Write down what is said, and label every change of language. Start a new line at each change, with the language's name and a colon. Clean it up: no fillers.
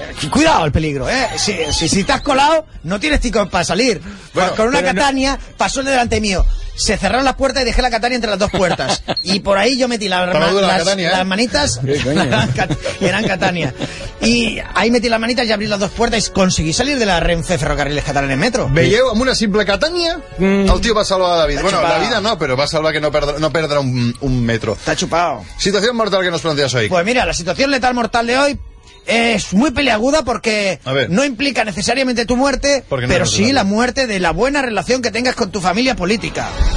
Spanish: Cuidado el peligro, si estás colado, no tienes ticket para salir. Bueno, con una katana pasó el de delante mío. Se cerraron las puertas y dejé la katana entre las dos puertas. Y por ahí yo metí las manitas. Eran katana. Y ahí metí las manitas y abrí las dos puertas y conseguí salir de la Renfe Ferrocarriles Catalanes Metro.
Catalan: Veieu, amb una simple katana, el tío va a salvar a David.
Spanish: Bueno, la vida no, pero va a salvar que no perdrá un metro. Está chupado. Situación mortal que nos planteas hoy. Pues mira, la situación letal mortal de hoy es muy peliaguda porque no implica necesariamente tu muerte, pero sí la muerte de la buena relación que tengas con tu familia política.